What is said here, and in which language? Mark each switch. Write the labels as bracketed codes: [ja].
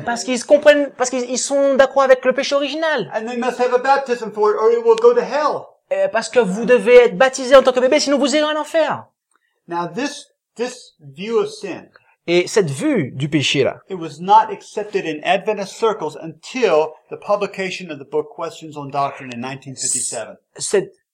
[fr] Parce qu'ils sont d'accord avec le péché original. [en] And they must have a baptism for it, or it will go to hell. [fr] Et parce que vous devez être baptisé en tant que bébé, sinon vous irez en enfer. [en] Now this view of sin. [fr] Et cette vue du péché là. [en] It was not accepted in Adventist circles until the publication of the book Questions on Doctrine in 1957.